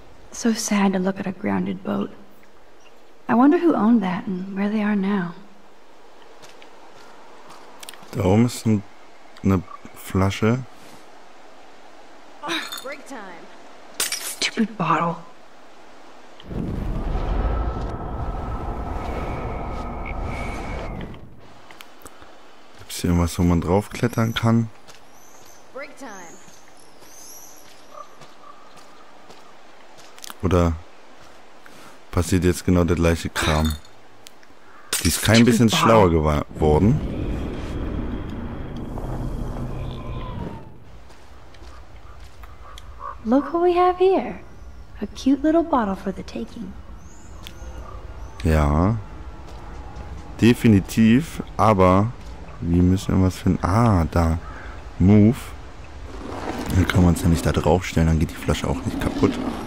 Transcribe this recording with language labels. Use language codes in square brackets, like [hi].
[en] So sad to look at a grounded boat. I wonder who owned that and where they are now. [de] Da oben ist eine Flasche. [en] Break time. Stupid bottle. [de] Gibt's hier irgendwas, wo man draufklettern kann? [en] Break time. [de] Oder passiert jetzt genau der gleiche Kram? Die ist kein bisschen schlauer geworden. [en] Look what we have here. A cute little bottle for the taking. [de] Ja. Definitiv, aber wir müssen irgendwas finden. Ah, da. [en] Move. [de] Dann kann man es nämlich da draufstellen, dann geht die Flasche auch nicht kaputt.